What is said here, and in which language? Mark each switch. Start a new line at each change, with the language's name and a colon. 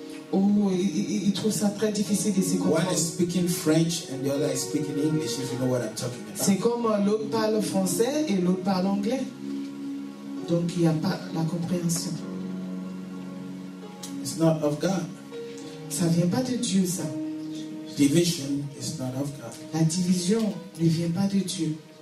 French: Oh, il trouve ça très difficile de se comprendre.
English: One is speaking French and the other is speaking English, if you know what I'm talking about.
French: C'est comme l'autre parle français et l'autre parle anglais. Donc il n'y a pas la compréhension.
English: It's not of God.
French: Ça vient pas de Dieu, ça.
English: Division is not of God.
French: La division ne vient pas de Dieu.